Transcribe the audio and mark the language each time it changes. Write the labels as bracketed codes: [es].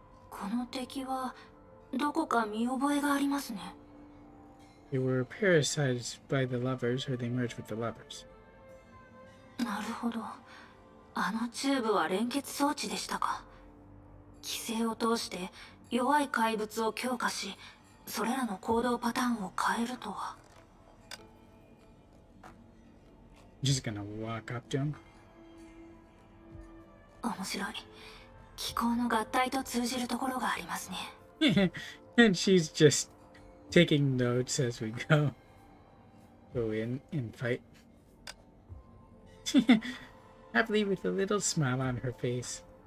[ja] この敵はどこか見覚えがありますね。 [en] They were parasites by the lovers, or they merged with the lovers. [ja] なるほど。あのチューブは連結装置でしたか。規制を通して弱い怪物を強化し、それらの行動パターンを変えるとは。 [en] Just gonna walk up to him. [ja] 面白い。気候の合体と通じるところがありますね。 [en] And she's just taking notes as we go. Go in and fight. Happily with a little smile on her face.